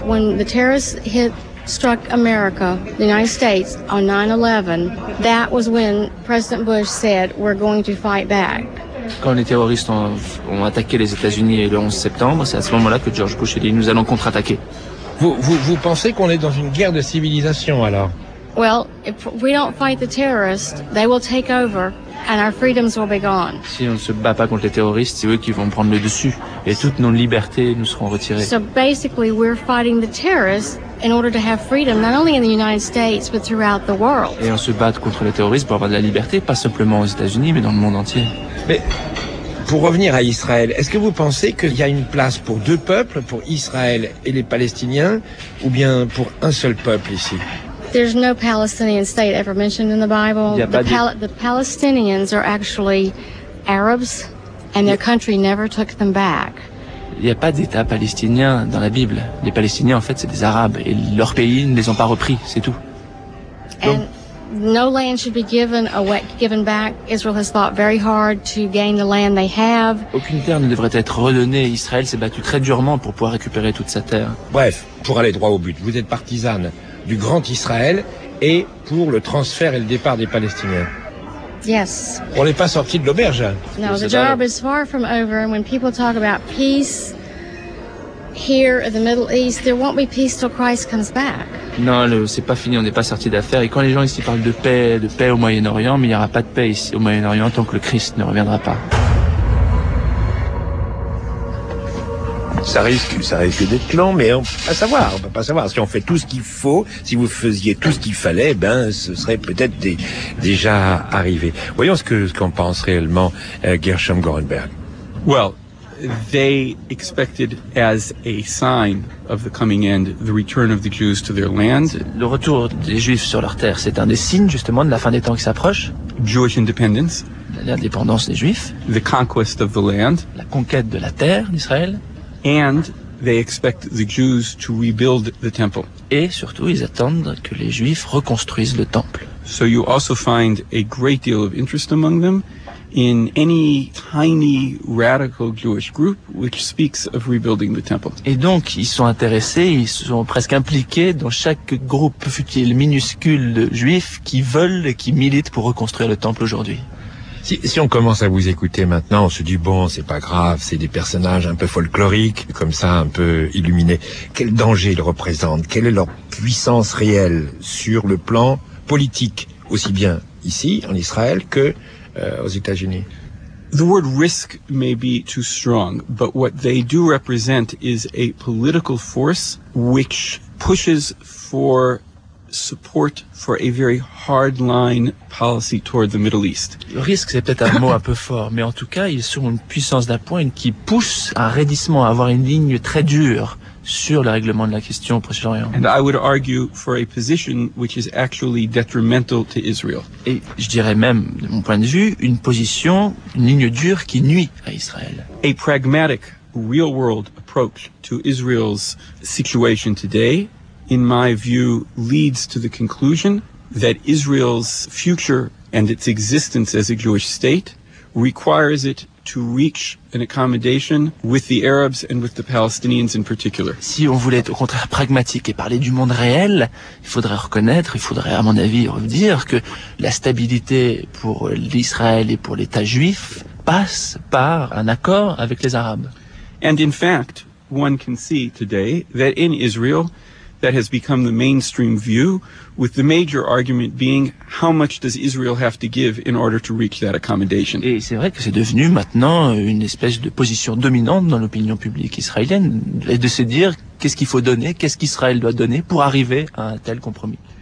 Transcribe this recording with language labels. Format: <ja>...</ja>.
<en>When the terrorists struck America, the United States, on 9/11, that was when President Bush said we're going to fight back.</en> <fr>Quand les terroristes ont attaqué les États-Unis le 11 septembre, c'est à ce moment-là que George Bush a dit nous allons contre-attaquer. Vous pensez qu'on est dans une guerre de civilisation alors?</fr> <en>Well, if we don't fight the terrorists, they will take over. And our freedoms will be gone.</en> <fr>Si on ne se bat pas contre les terroristes, c'est eux qui vont prendre le dessus. Et toutes nos libertés nous seront retirées.</fr> <en>So basically, we're fighting the terrorists in order to have freedom, not only in the United States, but throughout the world.</en> <fr>Et on se bat contre les terroristes pour avoir de la liberté, pas simplement aux États-Unis, mais dans le monde entier. Mais pour revenir à Israël, est-ce que vous pensez qu'il y a une place pour deux peuples, pour Israël et les Palestiniens, ou bien pour un seul peuple ici?</fr> <en>There's no Palestinian state ever mentioned in the Bible. The Palestinians are actually Arabs, and their country never took them back.</en> <fr>Il n'y a pas d'État palestinien dans la Bible. Les Palestiniens, en fait, c'est des Arabes, et leur pays ne les ont pas repris, c'est tout.</fr> <en>And no land should be given back. Israel has fought very hard to gain the land they have.</en> <fr>Aucune terre ne devrait être redonnée. Israël s'est battu très durement pour pouvoir récupérer toute sa terre. Bref, pour aller droit au but, vous êtes partisane du grand Israël et pour le transfert et le départ des Palestiniens.</fr> <en>Yes.</en> <fr>On n'est pas sorti de l'auberge.</fr> <en>No, the job is far from over. And when people talk about peace here in the Middle East, there won't be peace till Christ comes back.</en> <fr>Non, c'est pas fini, on n'est pas sorti d'affaire. Et quand les gens ici parlent de paix au Moyen-Orient, mais il n'y aura pas de paix ici au Moyen-Orient tant que le Christ ne reviendra pas. Ça risque d'être lent, mais on ne peut pas savoir. Si on fait tout ce qu'il faut, si vous faisiez tout ce qu'il fallait, ben, ce serait peut-être déjà arrivé. Voyons ce qu'en pense réellement Gershom Gorenberg.</fr> <en>Well, they expected as a sign of the coming end, the return of the Jews to their land.</en> <fr>Le retour des Juifs sur leur terre, c'est un des signes, justement, de la fin des temps qui s'approche.</fr> <en>Jewish independence.</en> <fr>L'indépendance des Juifs.</fr> <en>The conquest of the land.</en> <fr>La conquête de la terre d'Israël.</fr> <en>And they expect the Jews to rebuild the temple.</en> <fr>Et surtout, ils attendent que les Juifs reconstruisent le temple.</fr> <en>So you also find a great deal of interest among them in any tiny radical Jewish group which speaks of rebuilding the temple.</en> <fr>Et donc, ils sont intéressés, ils sont presque impliqués dans chaque groupe futil minuscule de Juifs qui veulent et qui militent pour reconstruire le temple aujourd'hui. Si on commence à vous écouter maintenant, on se dit, bon, c'est pas grave, c'est des personnages un peu folkloriques, comme ça, un peu illuminés. Quel danger ils représentent? Quelle est leur puissance réelle sur le plan politique, aussi bien ici, en Israël, que aux États-Unis?</fr> <en>The word risk may be too strong, but what they do represent is a political force which pushes for support for a very hard-line policy toward the Middle East.</en> <fr>Le risque, c'est peut-être un mot un peu fort, mais en tout cas, ils sont une puissance d'appoint qui pousse un raidissement, à avoir une ligne très dure sur le règlement de la question au Proche-Orient.</fr> <en>And I would argue for a position which is actually detrimental to Israel.</en> <fr>Et je dirais même, de mon point de vue, une position, une ligne dure qui nuit à Israël.</fr> <en>A pragmatic, real-world approach to Israel's situation today, in my view, leads to the conclusion that Israel's future and its existence as a Jewish state requires it to reach an accommodation with the Arabs and with the Palestinians in particular.</en> <fr>Si on voulait être au contraire pragmatique et parler du monde réel, il faudrait à mon avis dire que la stabilité pour l'Israël et pour l'État juif passe par un accord avec les Arabes.</fr> <en>And in fact, one can see today that in Israel, that has become the mainstream view, with the major argument being how much does Israel have to give in order to reach that accommodation.</en> <fr>Et c'est vrai que c'est devenu maintenant une espèce de position dominante dans l'opinion publique israélienne, et de se dire qu'est-ce qu'il faut donner, qu'est-ce qu'Israël doit donner pour arriver à un tel compromis.</fr>